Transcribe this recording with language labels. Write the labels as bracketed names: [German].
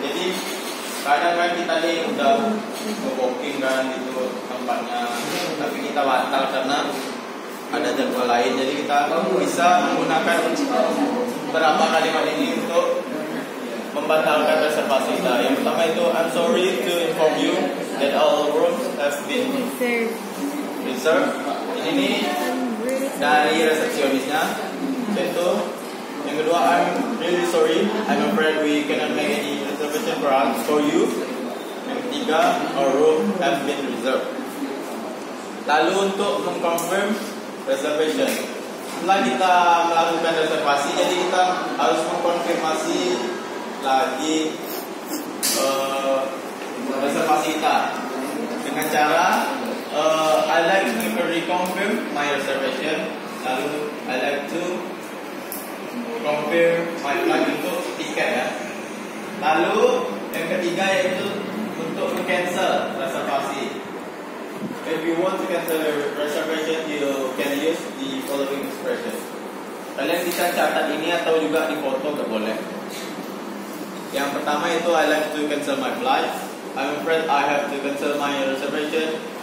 [Indonesian] Jadi kadang-kadang kita nih udah booking kan itu tempatnya, tapi kita batal karena ada jadwal lain. Jadi kita bisa menggunakan beberapa kalimat ini untuk membatalkan reservasi kita. Yang pertama itu [English] I'm sorry to inform you that all rooms have been reserved. [Indonesian] Ini dari resepsionisnya. Yaitu yang kedua, [English] I'm really sorry, I'm afraid we cannot make any reservation for us for you. [Indonesian] Yang ketiga, [English] our room has been reserved. [Indonesian] Lalu untuk mengconfirm reservation, setelah kita melakukan reservasi, jadi kita harus mengkonfirmasi lagi reservasi kita dengan cara [English] I like to reconfirm my reservation. [Indonesian] Lalu [English] I like to compare my flight [Indonesian] untuk tiket ya. Lalu yang ketiga yaitu untuk cancel reservasi. [English] If you want to cancel your reservation, you can use the following expression. [Indonesian] Kalian bisa catat ini atau juga di foto gak boleh. Yang pertama itu [English] I like to cancel my flight. I'm afraid I have to cancel my reservation.